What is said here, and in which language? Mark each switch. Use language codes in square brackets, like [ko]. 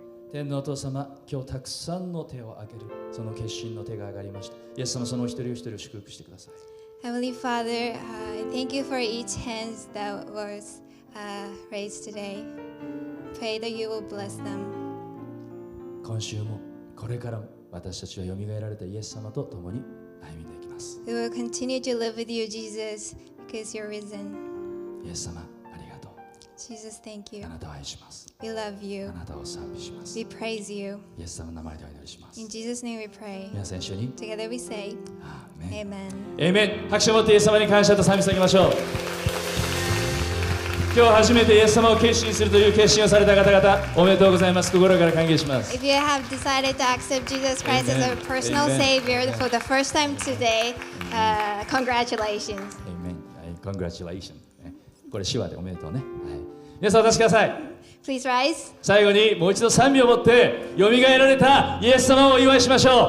[ja] 天のお父様、今日たくさんの手を挙げる、その決心の手が挙がりました。イエス様、その一人一人を祝福してください。 [en] Heavenly Father, thank you for each hand that was raised today. Pray that you will bless them. [ja] 今週も、これからも、私たちはよみがえられたイエス様と共に歩みでいきます。 [en] We will continue to live with you, Jesus, because you're risen. [ja] イエス様、ありがとう。 [en] Jesus, thank you. [ja] あなたを愛します。 [en] We love you. [ja] あなたを賛美します。 [en] We praise you. [ja] イエス様の名前でお祈りします。 [en] In Jesus' name we pray. [ja] 皆さん一緒に。 [en] Together we say. Amen. Amen. Amen. [ja] 拍手を持ってイエス様に感謝と賛美してあげましょう。今日初めてイエス様を決心するという決心をされた方々、おめでとうございます。心から歓迎します。 [en] If you have decided to accept Jesus Christ as a personal Savior for the first time today, congratulations. Amen. Congratulations. [ja] これ手話でおめでとうね、はい、皆さんお出しください。 [en] Please rise. [ja] 最後にもう一度賛美を持ってよみがえられたイエス様をお祝いしましょう。